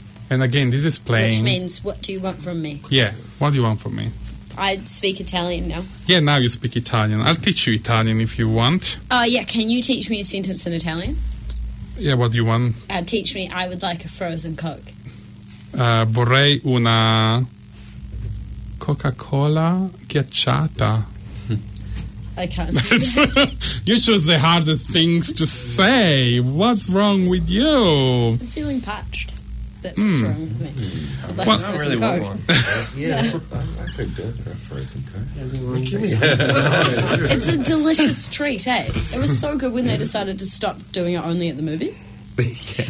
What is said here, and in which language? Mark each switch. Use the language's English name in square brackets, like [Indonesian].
[English] And again, this is playing. Which means, what do you want from me? Yeah, what do you want from me? I speak Italian now. Yeah, now you speak Italian. I'll teach you Italian if you want. Oh, yeah, can you teach me a sentence in Italian? Yeah, what do you want? Teach me, I would like a frozen Coke. [Italian] Vorrei una Coca-Cola ghiacciata. [English] I can't say that. You chose the hardest things to say. What's wrong with you? I'm feeling parched. That's what's wrong with me. Like, well, I don't really want one. Yeah, I could go for a frozen Coke. It's a delicious treat, eh? It was so good when they decided to stop doing it only at the movies. Yeah.